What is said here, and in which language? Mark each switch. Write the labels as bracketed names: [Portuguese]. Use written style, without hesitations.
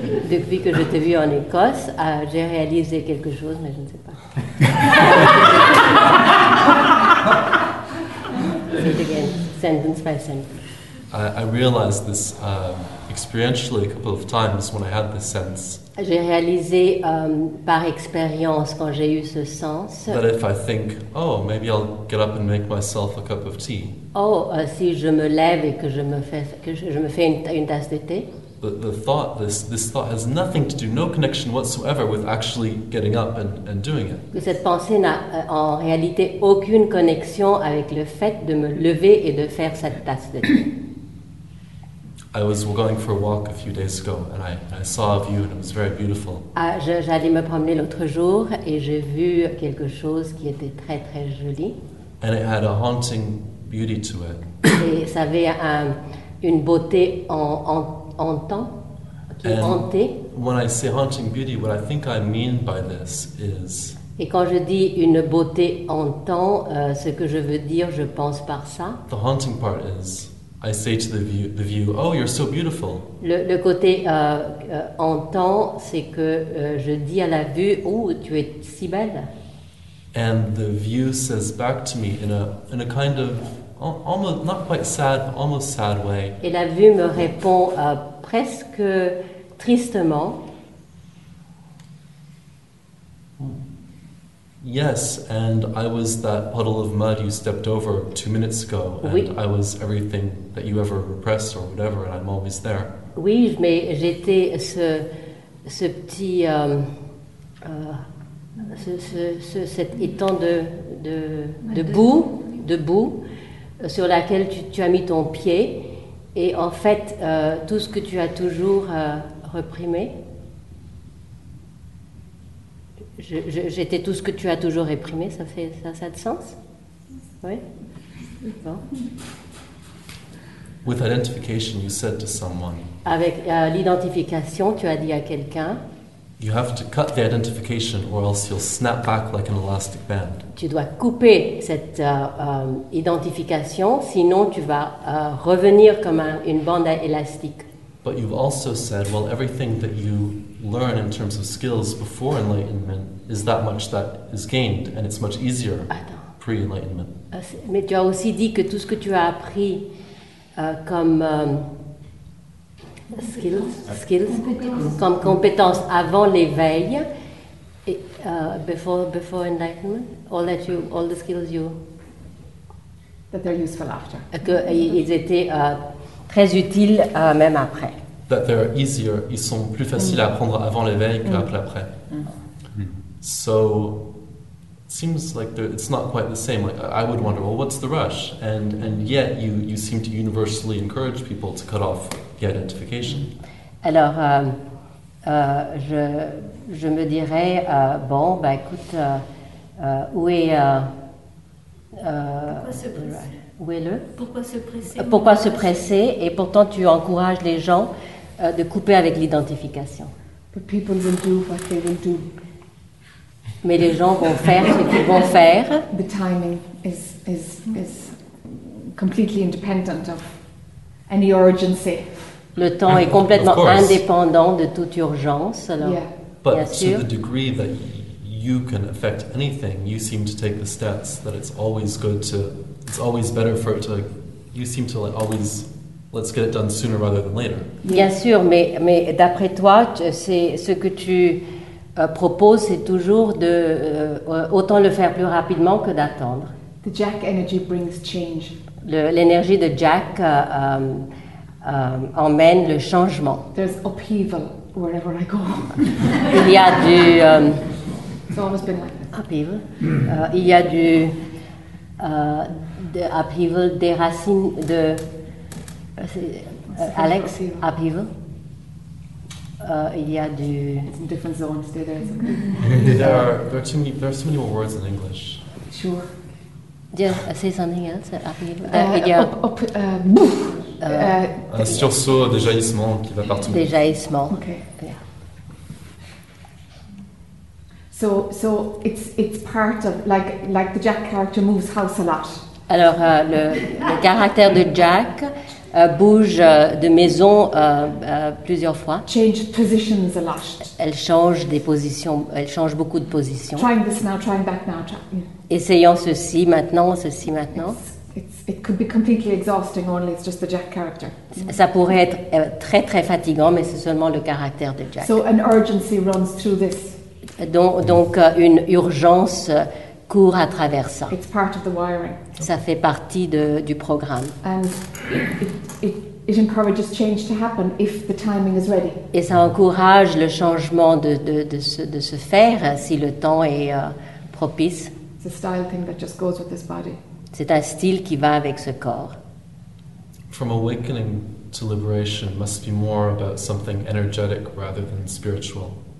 [French] Depuis que je t'ai vu en Écosse, j'ai réalisé quelque chose, mais je ne sais pas. [English] Say again, sentence by sentence. I realized this experientially a couple of times when I had this sense. [French] J'ai réalisé par expérience quand j'ai eu ce sens. [English] That if I think, oh, maybe I'll get up and make myself a cup of tea. [French] Oh, si je me lève et que je me fais une tasse de thé. [English] The thought, this thought has nothing to do, no connection whatsoever with actually getting up and doing it. [French] Cette pensée n'a en réalité aucune connexion avec le fait de me lever et de faire cette tasse de thé. [English] I was going for a walk a few days ago, and I saw a view, and it was very beautiful. [French] J'allais me promener l'autre jour, et j'ai vu quelque chose qui était très très joli. [English] And it had a haunting beauty to it. [French] Et ça avait une beauté hantant, qui [English] and [French] hantait. [English] When I say haunting beauty, what I think I mean by this is. Et quand je dis une beauté hantant, ce que je veux dire, je pense par ça. The haunting part is. I say to the view, oh, you're so beautiful. [French] Le côté hantant, c'est que je dis à la vue, oh, tu es si belle. [English] And the view says back to me in a kind of, almost, not quite sad, but almost sad way. [French] Et la vue me répond presque tristement. [English] Yes, and I was that puddle of mud you stepped over 2 minutes ago, and [French] oui. [English] I was everything that you ever repressed or whatever, and I'm always there. [French] Oui, mais j'étais ce petit cet étang de boue sur laquelle tu as mis ton pied, et en fait tout ce que tu as toujours réprimé. J'étais tout ce que tu as toujours réprimé, ça a de sens? Oui? Bon. [English] With identification, you said to someone. [French] Avec l'identification, tu as dit à quelqu'un. [English] You have to cut the identification or else you'll snap back like an elastic band. [French] Tu dois couper cette identification, sinon tu vas revenir comme une bande élastique. [English] But you've also said, well, everything that you learn in terms of skills before enlightenment is that much that is gained, and it's much easier. [French] Attends. [English] Pre-enlightenment. [French] Mais tu as aussi dit que tout ce que tu as appris comme skills, comme compétences avant l'éveil, [English] before enlightenment, all the skills you that they're useful after. [French] Ils étaient très utiles même après. [English] That they're easier, [French] ils sont plus faciles à apprendre avant l'éveil qu'après. [English] So, it seems like it's not quite the same. Like I would wonder, well, what's the rush? And yet you seem to universally encourage people to cut off the identification. [French] Alors, je me dirais, bon, bah écoute, pourquoi se presser? Et pourtant tu encourages les gens de couper avec l'identification. [English] But people will do what they will do. [French] Mais les gens vont faire ce qu'ils vont faire. [English] The timing is completely independent of any urgency. [French] Le temps est complètement indépendant de toute urgence. Alors, [English] yeah. But [French] bien sûr. [English] To the degree that you can affect anything, you seem to take the stance that it's always good to, it's always better for it to, like, you seem to like always. Let's get it done sooner rather than later. [French] Bien sûr, mais d'après toi, c'est ce que tu proposes, c'est toujours de autant le faire plus rapidement que d'attendre. [English] The Jack energy brings change. [French] L'énergie de Jack emmène le changement. [English] There's upheaval wherever I go. [French] Il y a du... [English] It's always been like that. Upheaval. [French] Il y a du... de upheaval, des racines de... Alex, upheaval. Il y a du... [English] Different zones, there is. There are so many more words in English. Sure. Yeah, say something else. [French] Un sursaut, un déjaillissement qui va partout. Déjaillissement. [English] Okay. Yeah. So it's part of like the Jack character moves house a lot. [French] Alors le caractère de Jack bouge de maison plusieurs fois. [English] Change positions a lot. [French] Elle change des positions. Elle change beaucoup de positions. [English] Trying this now, trying that now. [French] Essayons ceci maintenant, ceci maintenant. [English] It could be completely exhausting. Only it's just the Jack character. [French] Ça pourrait être très très fatigant, mais c'est seulement le caractère de Jack. [English] So an urgency runs through this. [French] Donc une urgence court à travers ça. [English] It's part of the wiring. [French] Ça fait partie du programme. [English] And it encourages change to happen if the timing is ready. [French] Et ça encourage le changement de se faire si le temps est propice. [English] It's a style thing that just goes with this body. [French] C'est un style qui va avec ce corps. [English] From awakening to liberation must be more about something energetic rather than spiritual.